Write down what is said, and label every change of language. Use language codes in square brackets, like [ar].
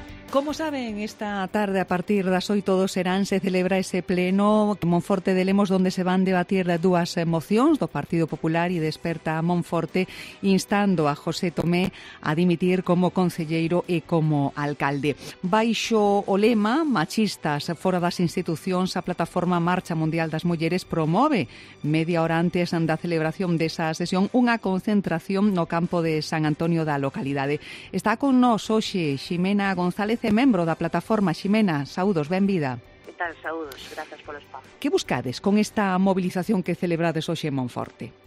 [es] Como saben, esta tarde a partir de las 8 de Serán se celebra ese pleno Monforte de Lemos donde se van a debatir las dos mociones do Partido Popular y Desperta a Monforte instando a José Tomé a dimitir como concelleiro y como alcalde. [gl] Baixo o lema Machistas fora das institucións, a plataforma Marcha Mundial das Mulleres promove media hora antes da celebración desa sesión unha concentración no campo de San Antonio da localidade. Está con nos hoxe [es] Ximena González, es miembro de la plataforma. Ximena, saludos, bienvenida. ¿Qué tal? Saludos, gracias por el espacio. ¿Qué buscades con esta movilización que celebrades hoxe en Monforte?